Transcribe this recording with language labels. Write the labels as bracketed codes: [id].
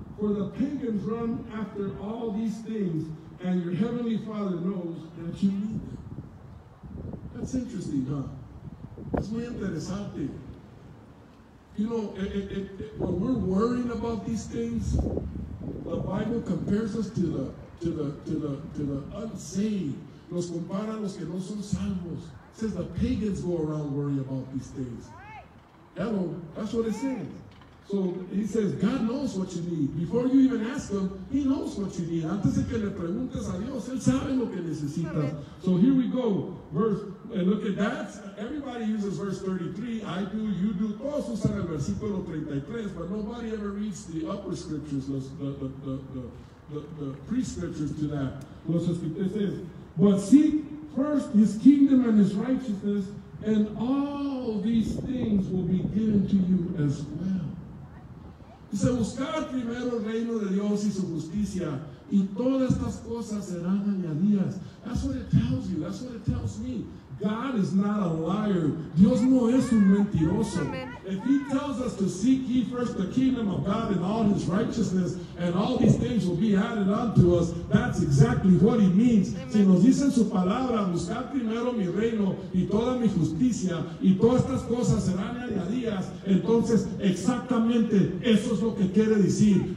[en] For the pagans run after all these things, and your heavenly Father knows that you need them. That's interesting, huh? [es] Es muy interesante. [en] You know, when we're worrying about these things, the Bible compares us to the unsaved. [es] Los compara a los que no son salvos. [en] It says the pagans go around worrying about these things. Hello, that's what it says. So he says, God knows what you need. Before you even ask him, he knows what you need. [es] Antes de que le preguntes a Dios, él sabe lo que necesitas. [en] So here we go. And look at that. Everybody uses verse 33. I do, you do. [es] Todos usan el versículo 33, [en] but nobody ever reads the upper scriptures, the pre-scriptures to that. It says, but seek first his kingdom and his righteousness, and all these things will be given to you as well. [es] Dice, buscar primero el reino de Dios y su justicia, y todas estas cosas serán añadidas. [en] That's what it tells you. That's what it tells me. God is not a liar. [es] Dios no es un mentiroso. [en] If he tells us to seek ye first the kingdom of God and all his righteousness, and all these things will be added unto us, that's exactly what he means. [es] Si nos dice en su palabra, buscar primero mi reino y toda mi justicia, y todas estas cosas serán añadidas, entonces exactamente eso es lo que quiere decir.